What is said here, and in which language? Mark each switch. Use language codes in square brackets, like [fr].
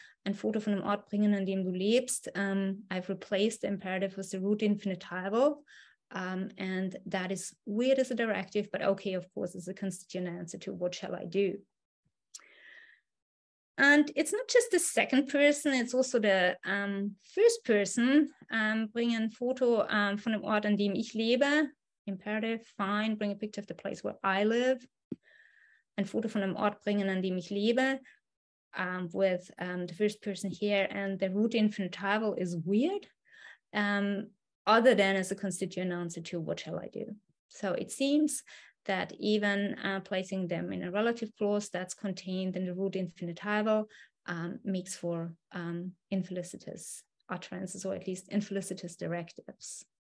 [de] Ein Foto von dem Ort bringen, an dem du lebst. [en] I've replaced the imperative with the root infinitival. And that is weird as a directive, but okay, of course, as a constituent answer to what shall I do? And it's not just the second person, it's also the first person. [de] Bring ein Foto von dem Ort, an dem ich lebe. [en] Imperative, fine. Bring a picture of the place where I live. [de] Ein Foto von dem Ort bringen, an dem ich lebe. [en] With the first person here, and the root infinitival is weird, other than as a constituent answer to what shall I do. So it seems that even placing them in a relative clause that's contained in the root infinitival makes for infelicitous utterances, or at least infelicitous directives.